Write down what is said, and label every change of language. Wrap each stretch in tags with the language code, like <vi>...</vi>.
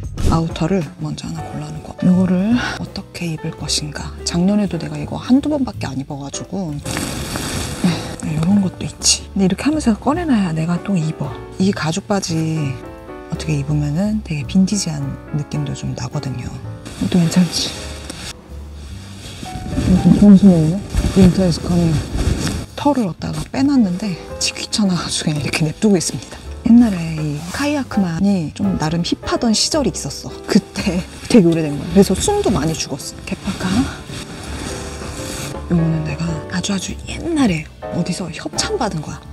<ko>아우터를 먼저 하나 골라놓은 거. 이거를 어떻게 입을 것인가. 작년에도 내가 이거 한두 번밖에 안 입어가지고 이런 것도 있지. 근데 이렇게 하면서 꺼내놔야 내가 또 입어. 이 가죽 바지 어떻게 입으면은 되게 빈티지한 느낌도 좀 나거든요. 이것도 괜찮지. 무슨</ko> <en>Winter is coming.</en> <ko>털을 얻다가 빼놨는데 귀찮아가지고 그냥 이렇게 냅두고 있습니다. 옛날에 이 카이아크만이 좀 나름 힙하던 시절이 있었어. 그때 되게 오래된 거야. 그래서 숨도 많이 죽었어. 개파카. 이거는 내가 아주 옛날에 어디서 협찬받은 거야.</ko>